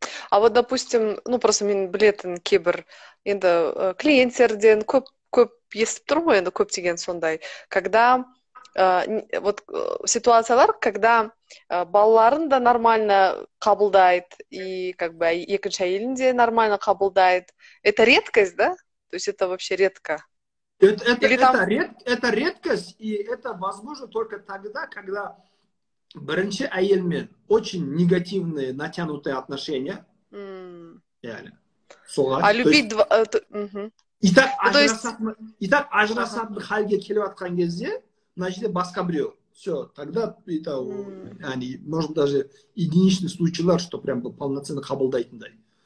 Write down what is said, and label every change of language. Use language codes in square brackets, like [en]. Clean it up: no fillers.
[ru] А вот, допустим, просто [kk] мен білетін кейбір енді клиенттерден көп естіп тұр ғой, енді көп деген сондай, когда ситуациялар, когда балаларын да нормально қабылдайды и как бы екінші әйелін де нормально қабылдайды. [ru] Это редкость, да? То есть это вообще редко. Это редкость, и это возможно только тогда, когда [kk] бірінші әйелмен [ru] очень негативные, натянутые отношения. А любить два... [kk] Итак, ажырасатын халге келіп атқан кезде, значит, басқа біреу. [ru] Все, тогда это, можно даже единичный случай, что прям полноценно қабылдайтындай.